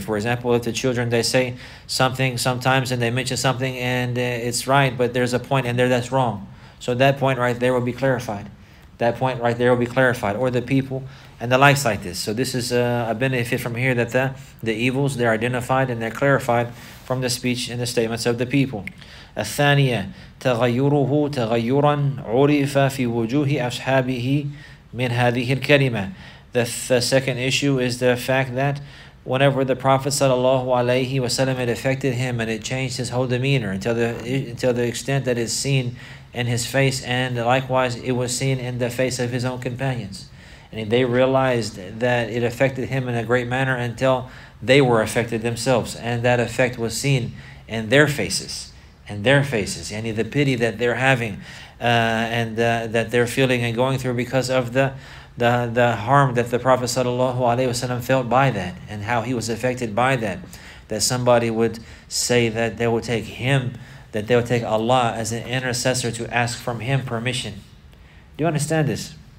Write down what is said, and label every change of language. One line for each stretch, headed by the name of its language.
English: For example, if the children, they say something sometimes and they mention something and it's right, but there's a point in there that's wrong. So that point right there will be clarified. That point right there will be clarified. Or the people and the likes like this. So this is a benefit from here, that the evils, they're identified and they're clarified from the speech and the statements of the people.
Arabic: الثانية تغيره تغيرا عرف في وجوه أصحابه من هذه الكلمة.
English: The second issue is the fact that whenever the Prophet sallallahu alaihi wasallam, it affected him and it changed his whole demeanor until the extent that it's seen in his face, and likewise it was seen in the face of his own companions, and they realized that it affected him in a great manner until they were affected themselves, and that effect was seen in their faces, and the pity that they're having, and that they're feeling and going through because of the harm that the Prophet sallallahu alaihi wasallam felt by that, and how he was affected by that, that somebody would say that they would take him, that they would take Allah as an intercessor to ask from him permission. Do you understand this?